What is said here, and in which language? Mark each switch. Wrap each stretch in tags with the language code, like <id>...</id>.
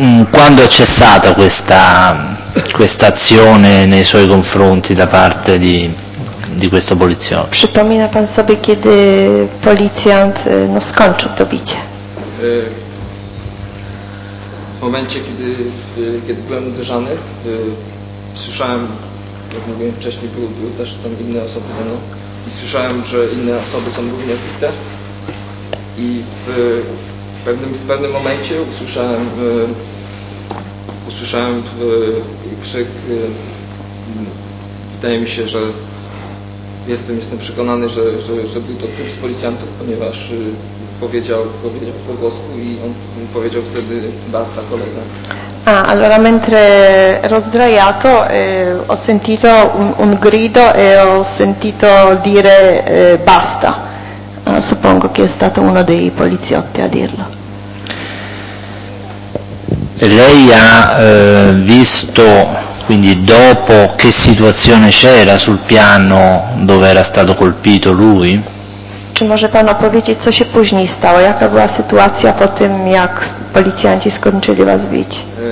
<it>Quando è cessata questa azione nei suoi confronti da parte di questo poliziotto?</it> <pl>Przypomina pan sobie, kiedy policjant skończył to bicie? W momencie, kiedy byłem uderzany, słyszałem, jak mówiłem wcześniej, były też tam inne osoby ze mną, i słyszałem, że inne osoby są również bite. I w pewnym momencie usłyszałem usłyszałem krzyk. Wydaje mi się, że jestem przekonany, że był to typ z policjantów, ponieważ powiedział po włosku i on powiedział wtedy basta, kolega.</pl> <it>Ah, allora mentre ero sdraiato ho sentito un grido e ho sentito dire basta. Suppongo che è stato uno dei poliziotti a dirlo. Lei ha visto, quindi dopo, che situazione c'era sul piano dove era stato colpito lui?</it> <pl>Czy może pan opowiedzieć, co się później stało? Jaka była sytuacja po tym, jak policjanci skończyli was bić?</pl>